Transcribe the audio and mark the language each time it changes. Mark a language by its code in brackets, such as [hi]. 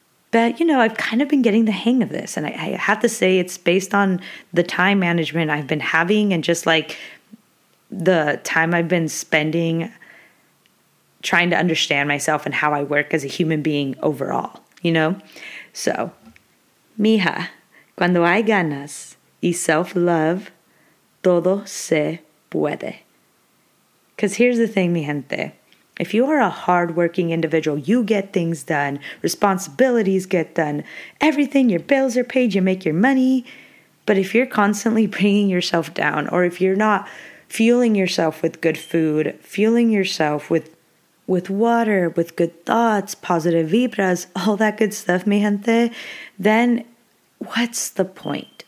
[en] But, you know, I've kind of been getting the hang of this, and I have to say it's based on the time management I've been having and just like the time I've been spending trying to understand myself and how I work as a human being overall, you know? [es] So, mija, cuando hay ganas y self-love, todo se puede. [en] Because here's the thing, [es] mi gente. [en] If you are a hardworking individual, you get things done, responsibilities get done, everything, your bills are paid, you make your money. But if you're constantly bringing yourself down, or if you're not fueling yourself with good food, fueling yourself with water, with good thoughts, positive vibras, all that good stuff, [es] mi gente, [en] then what's the point?